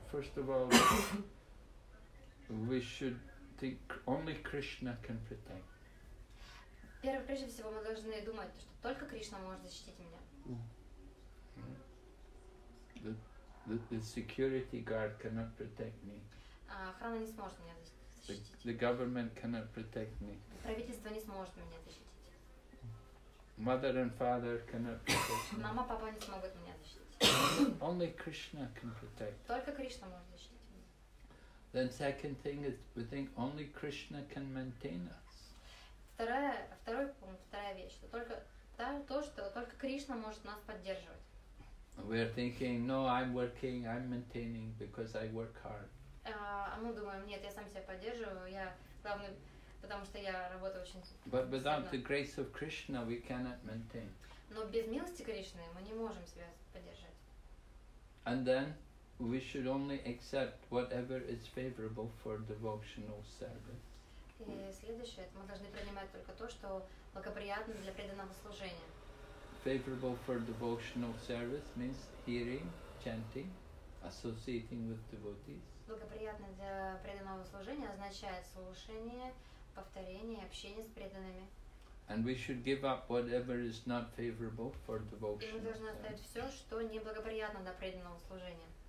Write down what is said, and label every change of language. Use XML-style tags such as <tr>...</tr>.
<en>First of all, we should think only Krishna can protect.</en> <ru>Первое, прежде всего, мы должны думать, что только Кришна может защитить меня.</ru> <en>The security guard cannot protect me.</en> <ru>Охрана не сможет меня защитить.</ru> <en>The government cannot protect me.</en> <ru>Правительство не сможет меня защитить.</ru> <en>Mother and father cannot protect me.</en> <ru>Мама, папа не смогут меня защитить.</ru> <en>Only Krishna can protect.</en> <ru>Только Кришна может защитить меня.</ru> <en>Then second thing is we think only Krishna can maintain us.</en> <ru>Вторая вещь, что только Кришна может нас поддерживать.</ru> <en>We are thinking, no, I'm working, I'm maintaining because I work hard.</en> <ru>А мы думаем, нет, я сам себя поддерживаю, я главный, потому что я работаю очень.</ru> <en>But without the grace of Krishna, we cannot maintain.</en> <ru>Но без милости Кришны мы не можем себя поддержать.</ru> <en>And then we should only accept whatever is favorable for devotional service.</en> <ru>И следующее, мы должны принимать только то, что благоприятно для преданного служения.</ru> <en>Favorable for devotional service means hearing, chanting, associating with devotees.</en> <ru>Благоприятно для преданного служения означает слушание, повторение, общение с преданными.</ru> <en>And we should give up whatever is not favorable for devotion.</en> <ru>И мы должны оставить все, что неблагоприятно для преданного служения.</ru>